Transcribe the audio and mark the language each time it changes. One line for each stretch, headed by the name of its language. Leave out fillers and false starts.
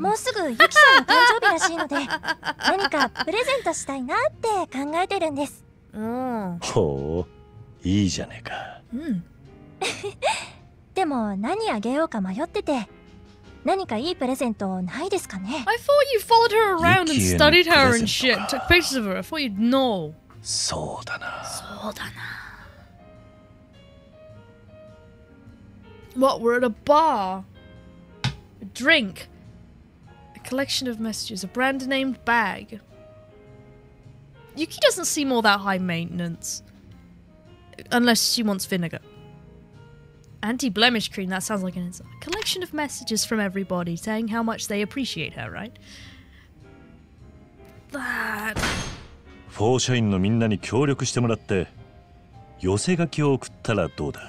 Japanese: もうすぐユキさんの誕生日らしいので何かプレゼントしたいなって考えてるんです。うん。ほう、いいじゃねえか。うん。でも何あげようか迷ってて、何かいいプレゼントないですかね。
English: I thought you followed her around and studied her and shit. Took pictures of her. I thought you'd know.
Japanese: そうだな、そうだな。
English: What, we're at a bar? A drink? A collection of messages? A brand named bag? Yuki doesn't seem all that high maintenance. Unless she wants vinegar. Anti-blemish cream, that sounds like an insult. A collection of messages from everybody saying how much they appreciate her, right? That...
Japanese: For 社員のみんなに協力してもらって寄せ書きを送ったらどうだ。